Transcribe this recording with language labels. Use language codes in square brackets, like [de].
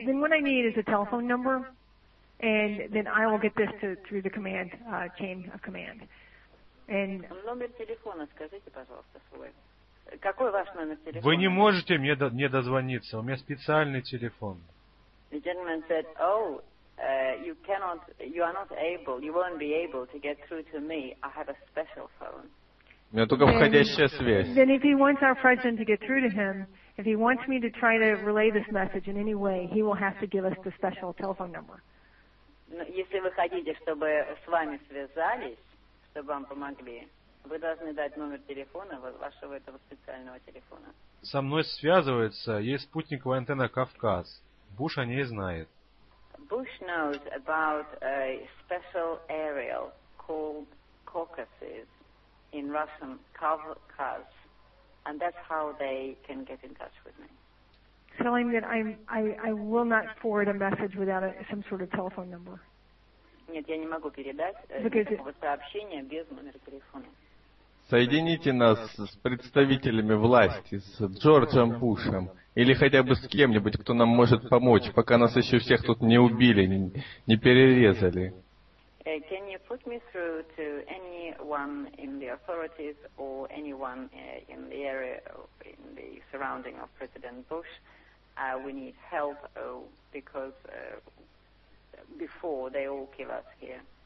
[en] Then what I need is a telephone number, and then I will get this through the command chain of command. And [ru] номер телефона скажите, пожалуйста, свой. Какой ваш номер телефона? Вы не можете мне не дозвониться. У меня специальный телефон. [en] The gentleman said, "Oh, you cannot. You are not able. You won't be able to get through to me. I have a special phone." [ru] У меня только входящая связь. [en] Then if he wants our president to get through to him, if he wants me to try to relay this message in any way, he will have to give us the special telephone number. [ru] Если вы хотите, чтобы с вами связались, чтобы вам помогли, вы должны дать номер телефона вашего этого специального телефона. Со мной связывается, есть спутниковая антенна Кавказ. Буш о ней знает. [en] Bush knows about a special aerial called Caucasus. In Russian, Kavkaz, and that's how they can get in touch with me. Telling that I will not forward a message without some sort of telephone number. [ru] Нет, я не могу передать никакого сообщения без номера телефона. Соедините нас с представителями власти, с Джорджем Бушем, или хотя бы с кем-нибудь, кто нам может помочь, пока нас еще всех тут не убили, не перерезали. [en] Can you put me through to anyone in the authorities or anyone in the area, in the surrounding of President Bush? We need help because before they all kill us here.